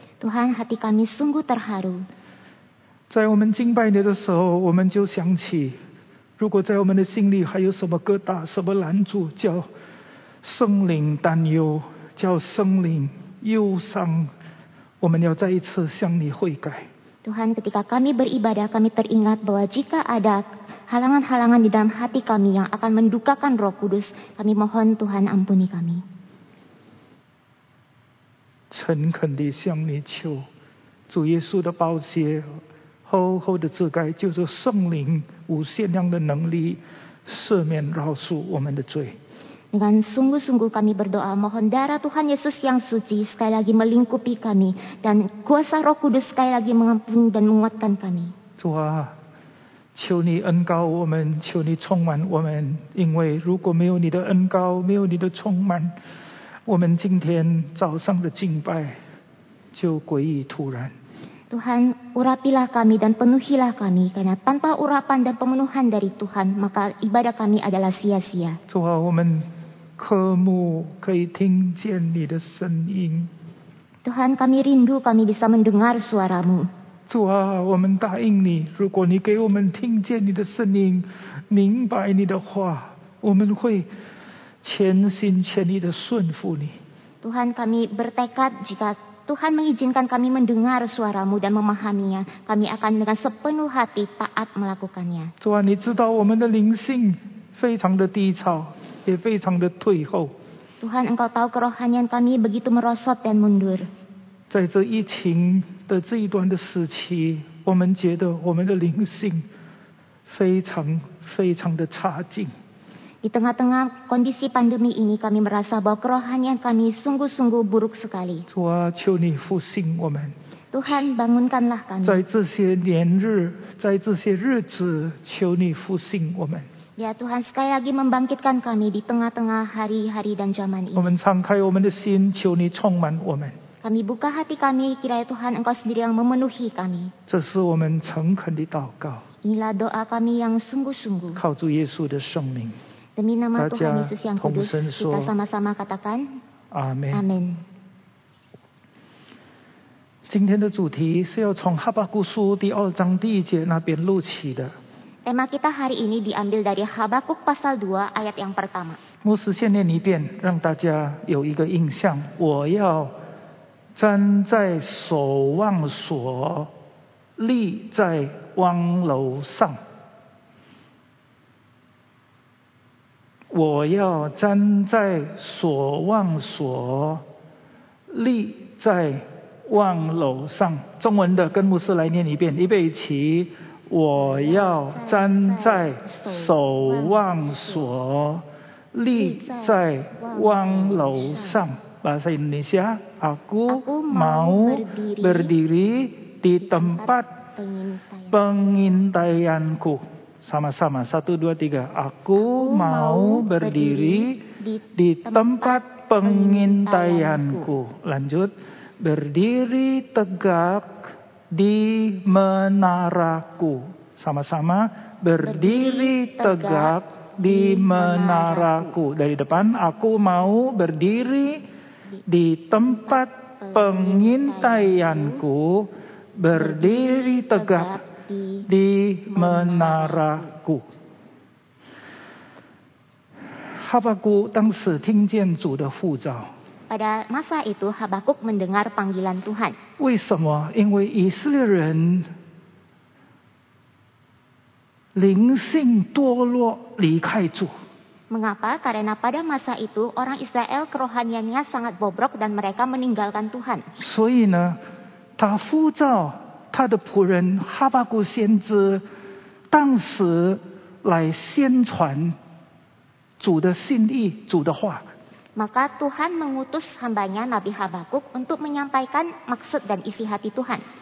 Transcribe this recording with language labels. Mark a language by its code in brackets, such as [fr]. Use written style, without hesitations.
[id] Tuhan, hati kami sungguh terharu. [zh] 在我们敬拜你的时候，我们就想起，如果在我们的心里还有什么疙瘩、什么拦阻，叫圣灵担忧，叫圣灵忧伤，我们要再一次向你悔改。 [id] Tuhan, ketika kami beribadah, kami teringat bahwa jika ada halangan-halangan di dalam hati kami yang akan mendukakan Roh Kudus, kami mohon Tuhan ampuni kami. [zh] 诚恳地向你求，主耶稣的宝血厚厚的遮盖，就是圣灵无限量的能力赦免饶恕我们的罪。 [id] Dengan sungguh-sungguh kami berdoa, mohon darah Tuhan Yesus yang suci sekali lagi melingkupi kami dan kuasa Roh Kudus sekali lagi mengampuni dan menguatkan kami. [zh] 主啊，求你恩膏我们，求你充满我们，因为如果没有你的恩膏，没有你的充满，我们今天早上的敬拜就诡异突然。 [id] Tuhan, urapilah kami dan penuhilah kami, karena tanpa urapan dan pemenuhan dari Tuhan, maka ibadah kami adalah sia-sia. [zh] 主啊，我们渴慕可以听见你的声音。 [id] Tuhan, kami rindu kami bisa mendengar suaramu. [zh] 主啊，我们答应你，如果你给我们听见你的声音，明白你的话，我们会全心全意的顺服你。 [id] Tuhan, kami bertekad jika Tuhan mengizinkan kami mendengar suaramu dan memahaminya, kami akan dengan sepenuh hati taat melakukannya. [zh] 主啊，你知道我们的灵性非常的低潮，也非常的退后。 [id] Tuhan, engkau tahu kerohanian kami begitu merosot dan mundur. [zh] 在这疫情的这一段的时期，我们觉得我们的灵性非常非常的差劲。 [id] Di tengah-tengah kondisi pandemi ini, kami merasa bahwa kerohanian kami sungguh-sungguh buruk sekali. [zh] 主啊，求你复兴我们。 [id] Tuhan, bangunkanlah kami. [zh] 在这些年日，在这些日子，求你复兴我们。 [id] Ya Tuhan, sekali lagi membangkitkan kami di tengah-tengah hari-hari dan zaman ini. [zh] 我们敞开我们的心，求你充满我们。 [id] Kami buka hati kami, kiranya Tuhan Engkau sendiri yang memenuhi kami. [zh] 这是我们诚恳的祷告。 [id] Inilah doa kami yang sungguh-sungguh. [zh] 靠主耶稣的圣名。 [id] Demi nama Tuhan Yesus yang kudus, kita sama-sama katakan. Amen. Amen. [zh] 今天的主题是要从哈巴谷书第二章第一节那边录起的。 [id] Tema kita hari ini diambil dari Habakuk pasal 2 ayat yang pertama. [zh] 牧师先念一遍，让大家有一个印象。我要站在守望所，立在望楼上。我要站在守望所，立在望楼上。中文的跟牧师来念一遍，预备起。我要站在守望所，立在望楼上。 [id] Bahasa Indonesia, aku mau berdiri di tempat pengintaianku. Sama-sama, satu, dua, tiga. Aku mau berdiri di tempat pengintaianku. Lanjut, berdiri tegak di menaraku. Sama-sama, berdiri tegak di menaraku. Dari depan, aku mau berdiri di tempat pengintaianku, berdiri tegap di menaraku. [zh] Habakuk 当时听见主的呼召. [id] Pada masa itu Habakuk mendengar panggilan Tuhan. [zh] 为什么？因为以色列人灵性堕落，离开主。 [id] Mengapa? Karena pada masa itu orang Israel kerohaniannya sangat bobrok dan mereka meninggalkan Tuhan. [zh] 所以呢, 他呼召他的仆人, 哈巴谷先知, 当时来宣传, 主的心意, 主的话。 [id] Maka Tuhan mengutus hambanya Nabi Habakuk untuk menyampaikan maksud dan isi hati Tuhan.